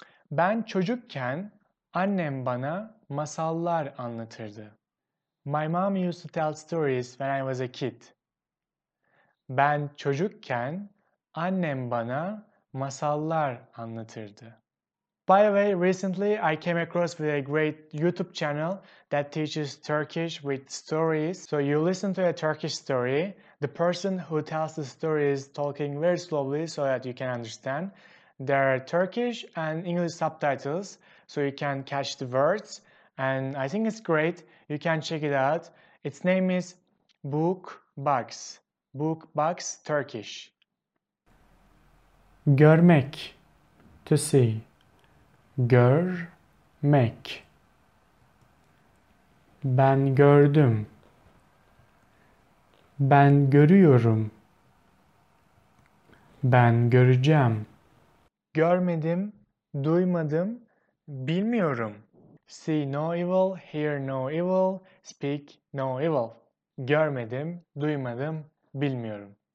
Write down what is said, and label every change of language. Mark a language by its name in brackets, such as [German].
[Turkish] Ben çocukken annem bana masallar anlatırdı. [English] My mom used to tell stories when I was a kid. [Turkish] Ben çocukken annem bana masallar anlatırdı. [English] By the way, recently I came across with a great YouTube channel that teaches Turkish with stories. So you listen to a Turkish story. The person who tells the story is talking very slowly so that you can understand. There are Turkish and English subtitles so you can catch the words. And I think it's great. You can check it out. Its name is Book Box. Book Box Turkish. Görmek, to see. Görmek. [Turkish] Ben gördüm. Ben görüyorum. Ben göreceğim. Görmedim, duymadım, bilmiyorum. [English] See no evil, hear no evil, speak no evil. [Turkish] Görmedim, duymadım, bilmiyorum.